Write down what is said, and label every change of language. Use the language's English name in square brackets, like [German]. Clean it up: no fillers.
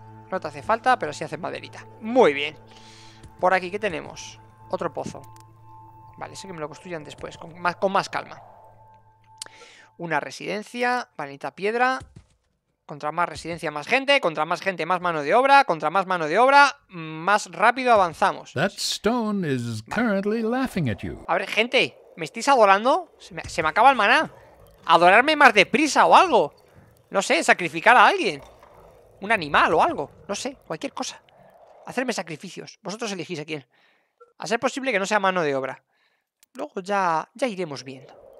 [Spanish] No te hace falta, pero sí hace maderita. Muy bien. Por aquí, ¿qué tenemos? Otro pozo. Vale, ese que me lo construyan después, con más calma. Una residencia. Vanita piedra. Contra más residencia, más gente. Contra más gente, más mano de obra. Contra más mano de obra, más rápido avanzamos. [English] That stone is currently laughing at you. [Spanish] A ver, gente, ¿me estáis adorando? Se me acaba el maná. Adorarme más deprisa o algo. No sé, sacrificar a alguien. Un animal o algo. No sé, cualquier cosa. Hacerme sacrificios. Vosotros elegís a quién. A ser posible que no sea mano de obra. Luego ya iremos viendo.